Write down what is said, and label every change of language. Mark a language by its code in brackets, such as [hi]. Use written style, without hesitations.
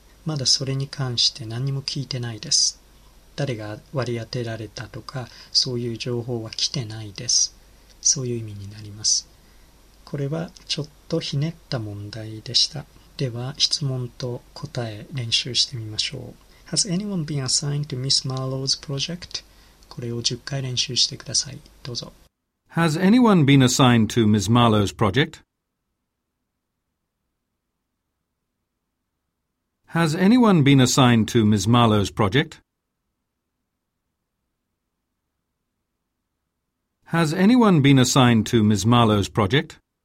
[ja] まだそれに関して何も聞いてないです。誰が割り当てられたとかそういう情報は来てないです。そういう意味になります。これはちょっとひねった問題でした。では質問と答え練習してみましょう。 [en] Has anyone been assigned to Miss Marlowe's project? [ja] これを10回練習してください。どうぞ。 [en] Has anyone been assigned to Miss Marlowe's project? Has anyone been assigned to Miss Marlowe's project? Has anyone been assigned to Miss Marlowe's project?